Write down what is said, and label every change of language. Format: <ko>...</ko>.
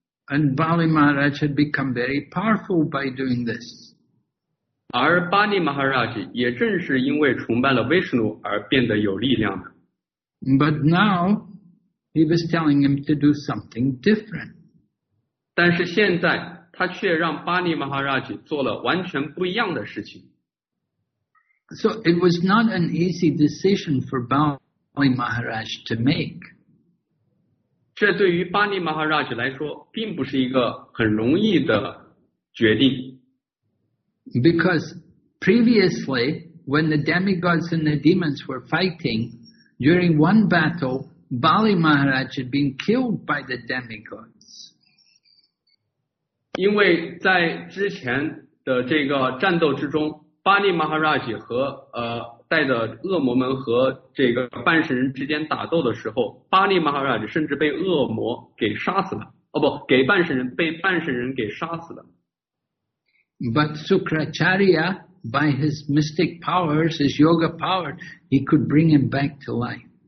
<en>And Bali Maharaj had become very powerful by doing this.</en> <zh>而 Bali Maharaj 也正是因为崇拜了 Vishnu 而变得有力量的。</zh> <en>But now, he was telling him to do something different.</en> <zh>但是现在他却让巴利马哈拉吉做了完全不一样的事情。</zh> <en>So it was not an easy decision for Bali Maharaj to make.</en> <zh>这对于巴利马哈拉吉来说并不是一个很容易的决定。</zh> <en>Because previously, when the demigods and the demons were fighting, during one battle, Bali Maharaj had been killed by the demigods.</en> <zh>因为在之前的这个战斗之中，巴利马哈拉吉和带着恶魔们和这个半神人之间打斗的时候，巴利马哈拉吉甚至被恶魔给杀死了。哦不，给半神人被半神人给杀死了。</zh> <en>But Sukracharya, by his mystic powers, his yoga power, he could bring him back to life.</en>